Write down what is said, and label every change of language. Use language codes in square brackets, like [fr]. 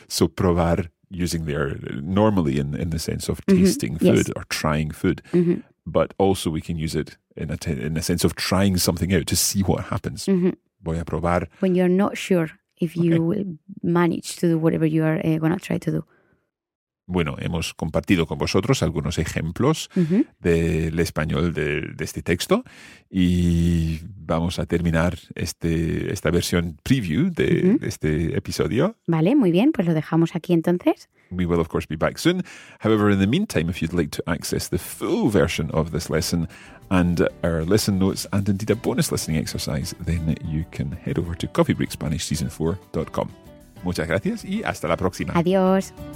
[en] So probar, using there normally in the sense of tasting food or trying food. But also we can use it in a sense of trying something out to see what happens. [es] Voy a probar. [en] When you're not sure if you will manage to do whatever you are going to try to do. [es] Bueno, hemos compartido con vosotros algunos ejemplos del español de este texto y vamos a terminar esta versión preview de este episodio. Vale, muy bien, pues lo dejamos aquí entonces. [en] We will, of course, be back soon. However, in the meantime, if you'd like to access the full version of this lesson and our lesson notes and indeed a bonus listening exercise, then you can head over to coffeebreakspanishseason4.com. [es] Muchas gracias y hasta la próxima. Adiós.